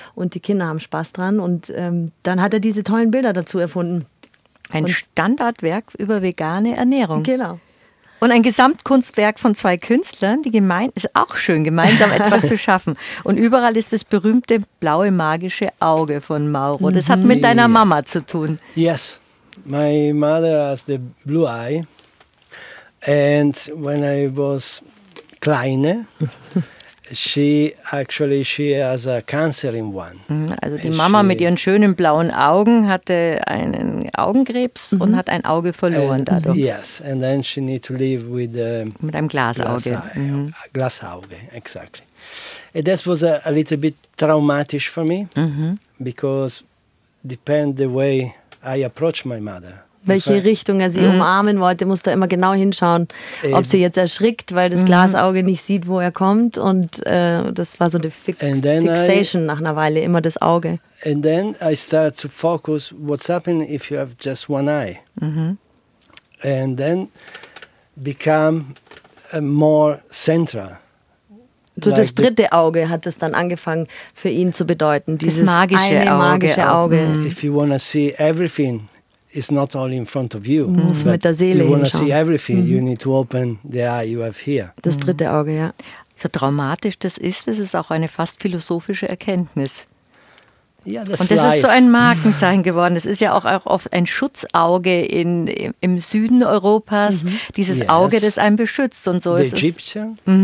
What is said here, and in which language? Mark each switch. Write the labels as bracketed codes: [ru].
[de] Und die Kinder haben Spaß dran. Und dann hat er diese tollen Bilder dazu erfunden. Ein Standardwerk über vegane Ernährung. Genau. Und ein Gesamtkunstwerk von 2 Künstlern, die ist auch schön, gemeinsam etwas zu schaffen. Und überall ist das berühmte blaue magische Auge von Mauro. Das hat mit deiner Mama zu tun. [en] Yes. My mother has the blue eye, and when I was kleine, she has a cancer in one. [de] Also die Mama mit ihren schönen blauen Augen hatte einen Augenkrebs und hat ein Auge verloren dadurch. [en] Yes, and then she need to live with [de] mit einem Glasauge. [en] Glasauge, exactly. And this was a little bit traumatic for me, because depend the way I approach my mother. [de] Welche Richtung er sie umarmen wollte, muss da immer genau hinschauen, ob sie jetzt erschrickt, weil das Glasauge nicht sieht, wo er kommt. Und das war so eine Fixation nach einer Weile, immer das Auge. [en] And then I start to focus, what's happening if you have just one eye. And then become more central. [de] So like das dritte Auge hat es dann angefangen für ihn zu bedeuten, dieses magische Auge. [en] If you want to see everything, it's not all in front of you. [de] Mm. Mit der Seele [en] you want to see everything, you need to open the eye you have here. [de] Das dritte Auge, ja. So traumatisch das ist auch eine fast philosophische Erkenntnis. Ja, und das [en] life. [de] Ist so ein Markenzeichen geworden. Es ist ja auch oft ein Schutzauge im Süden Europas, dieses Auge, das einen beschützt. Und so [en] the [de] ist [en] Egyptian.